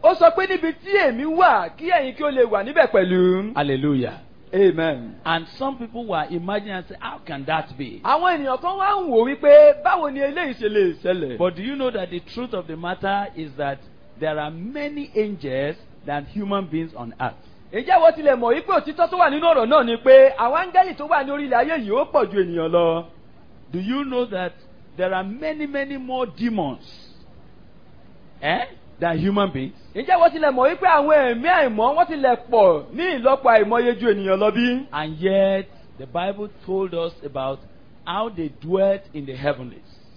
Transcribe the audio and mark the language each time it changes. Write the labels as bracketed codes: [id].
[yo] Ó sọ pé níbi tí èmi wà kí ẹ̀yin kí o lè wà níbẹ̀ pẹ̀lú. Hallelujah. Amen. [en] And some people were imagining and saying, how can that be? [yo] Àwọn ènìyàn kan wá ń wò wípé báwo ni eléyìí ṣe lè ṣẹlẹ̀. [en] But do you know that the truth of the matter is that there are many angels than human beings on earth. [yo] Ǹjẹ́ wo tilẹ̀ mọ̀ wípé òtítọ́ tó wà nínú ọ̀rọ̀ náà ni pé àwọn angẹ́lì tó wà ní orílẹ̀ ayé yìí ó pọ̀ ju ènìyàn lọ. [en] Do you know that there are many, many more demons than human beings? [yo] Ǹjẹ́ wo tilẹ̀ mọ̀ wípé àwọn ẹ̀mí àìmọ́ wọ́n tilẹ̀ pọ̀ ní ìlọ́pọ̀ àìmọye ju ènìyàn lọ bí? [en] And yet the Bible told us about how they dwelt in the heavenlies.